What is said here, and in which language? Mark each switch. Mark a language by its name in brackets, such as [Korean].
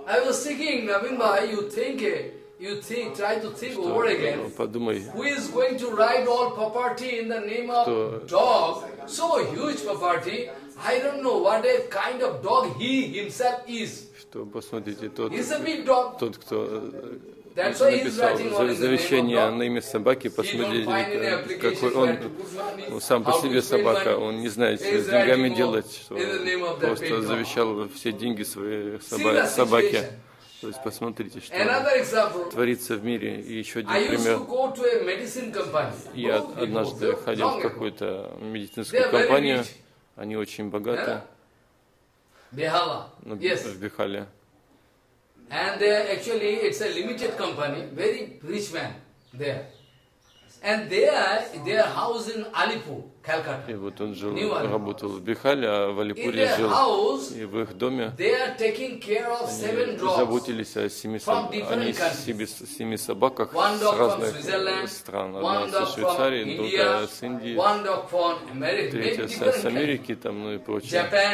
[English] I was thinking, Navinba, you think, try to think over again. Who is going to write all property in the name of dog? So huge property. I don't know what a kind of dog he himself is. [Russian] Что посмотрите, тот. [English] He's a big dog. [Russian] Тот, кто. [English] That's why he's writing all [Russian] завещание на имя собаки, посмотрите, какой он сам по себе собака, он не знает, с деньгами делать, что просто завещал все деньги своей собаке. То есть посмотрите, что творится в мире. И еще один пример. Я однажды ходил в какую-то медицинскую компанию, они очень богаты, в Бихале. [English] And they are actually, it's a limited company, very rich man there. And their house in Alipur, Calcutta. [Russian] И вот он жил, работал в Бихале, а в Алипуре жил. И в их доме они заботились о семи собаках с разных стран. Одна со Швейцарии, другая с Индии, третья с Америки там, ну и прочее.